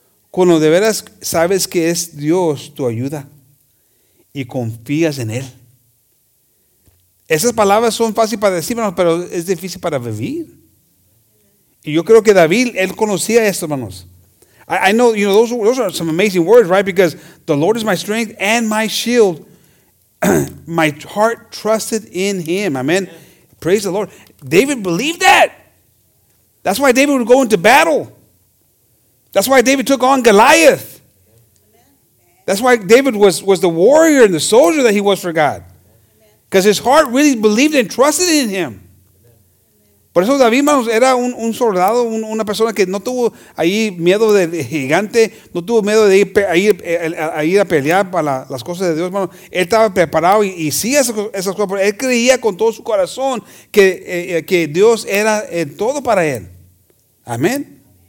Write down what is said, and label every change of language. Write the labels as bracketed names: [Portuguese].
[Spanish] Cuando de veras sabes que es Dios tu ayuda y confías en Él. Esas palabras son fáciles para decir, hermanos, pero es difícil para vivir. Y yo creo que David, él conocía esto, hermanos. [English] I know, you know, those are some amazing words, right? Because the Lord is my strength and my shield. My heart trusted in Him. Amen. Yeah. Praise the Lord. David believed that. That's why David would go into battle. That's why David took on Goliath. That's why David was the warrior and the soldier that he was for God. Because his heart really believed and trusted in Him. [Spanish] Por eso David, hermanos, era un soldado, una persona que no tuvo ahí miedo del gigante, no tuvo miedo de ir a pelear para las cosas de Dios, hermanos. Él estaba preparado y sí esas cosas, pero él creía con todo su corazón que Dios era todo para él. Amén.